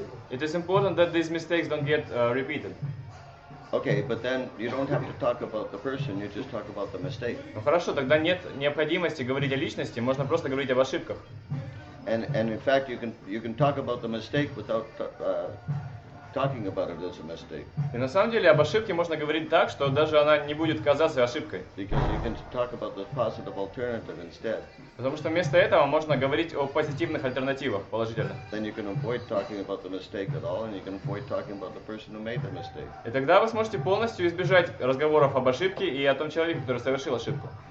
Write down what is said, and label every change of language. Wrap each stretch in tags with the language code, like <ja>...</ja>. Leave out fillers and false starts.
<en>It is important that these mistakes don't get repeated. Okay, but then you don't have to talk about the person, you just talk about the mistake.</en> <ru>Ну хорошо, тогда нет необходимости говорить о личности, можно просто говорить об ошибках.</ru> <en>And in fact you can talk about the mistake without talking about it as a mistake.</en> <ru>И на самом деле об ошибке можно говорить так, что даже она не будет казаться ошибкой.</ru> <en>Because you can talk about the positive alternative instead.</en> <ru>Потому что вместо этого можно говорить о позитивных альтернативах, положительно.</ru> <en>Then you can avoid talking about the mistake at all, and you can avoid talking about the person who made the mistake.</en> <ru>И тогда вы сможете полностью избежать разговоров об ошибке и о том человеке, который совершил ошибку.</ru>